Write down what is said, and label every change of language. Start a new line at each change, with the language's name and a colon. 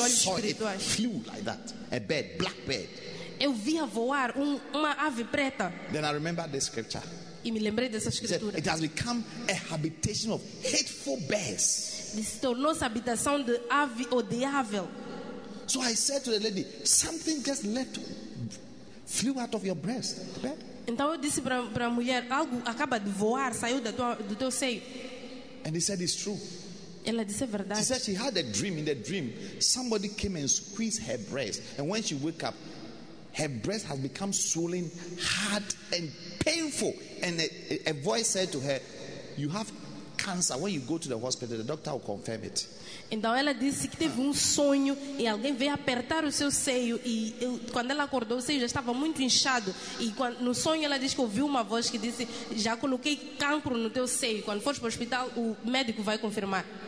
Portuguese: olhos espirituais.
English: It flew like that. A bird, black bird.
Portuguese: Eu vi a voar uma ave preta.
English: Then I remember the scripture.
Portuguese: E me lembrei dessa escritura.
English: It has become a habitation of hateful bears.
Portuguese: E se tornou-se habitação de ave odiável.
English: So I said to the lady, something just left, flew out of your breast.
Portuguese: Então eu disse para a mulher, algo acaba de voar, saiu do teu seio.
English: And he said it's true.
Portuguese: Ela disse verdade.
English: She said she had a dream. In the dream, somebody came and squeezed her breast. And when she woke up, her breast has become swollen, hard and painful. And a voice said to her, you have cancer. When you go to the hospital, the doctor will confirm it.
Portuguese: Então ela disse que teve um sonho e alguém veio apertar o seu seio e quando ela acordou o seio já estava muito inchado e no sonho ela disse que ouviu uma voz que disse, já coloquei cancro no teu seio, quando fores para o hospital o médico vai confirmar.